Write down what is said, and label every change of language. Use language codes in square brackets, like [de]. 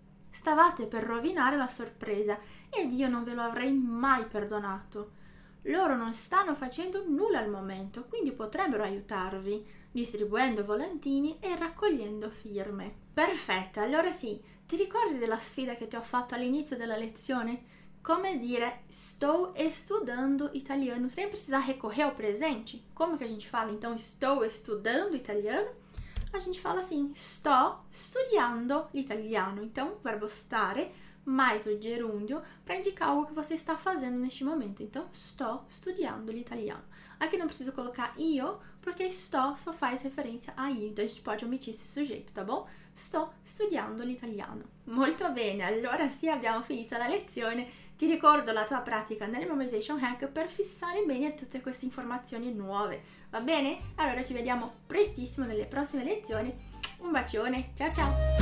[it] Stavate per rovinare la sorpresa ed io non ve lo avrei mai perdonato. Loro non stanno facendo nulla al momento, quindi potrebbero aiutarvi, distribuendo volantini e raccogliendo firme. Perfetto, allora sì, ti ricordi della sfida che ti ho fatto all'inizio della lezione? Come dire [pt] sto estudando italiano, sem precisar recorrer ao presente. Como que a gente fala, então, estou estudando italiano? A gente fala assim, [it] sto studiando l'italiano. [pt] Então, verbo stare mais o gerúndio para indicar algo que você está fazendo neste momento. Então, [it] sto studiando l'italiano. [pt] Aqui não preciso colocar io, porque sto só faz referência a io. Então, a gente pode omitir esse sujeito, tá bom? [it] Sto studiando l'italiano. Molto bene, allora sì, abbiamo finito la lezione. Ti ricordo la tua pratica nel Memorization Hack per fissare bene tutte queste informazioni nuove, va bene? Allora ci vediamo prestissimo nelle prossime lezioni. Un bacione, ciao ciao!